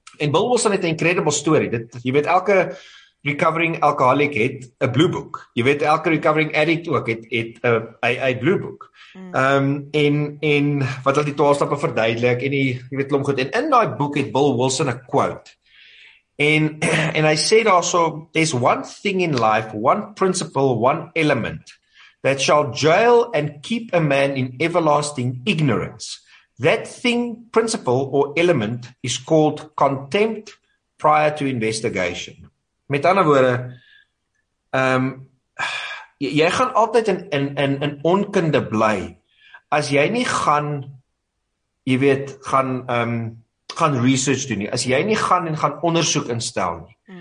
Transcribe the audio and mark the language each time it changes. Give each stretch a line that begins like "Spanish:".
Afrikaans: En Bill Wilson het 'n
English: incredible story,
Afrikaans: dit, jy weet, elke recovering alcoholic het 'n blue book. Jy weet, elke recovering addict ook het 'n blue book. En wat hulle die 12 stappe verduidelik en die, jy weet, klomp goed, en in daai boek het Bill Wilson 'n quote. En hy sê daarso,
English: there's one thing in life, one principle, one element that shall jail and keep a man in everlasting ignorance. That thing, principle or element is called contempt prior to investigation.
Afrikaans: Met ander woorde, jy gaan altyd in onkunde bly as jy nie gaan, jy weet, gaan research doen nie, as jy nie gaan en gaan ondersoek instel nie.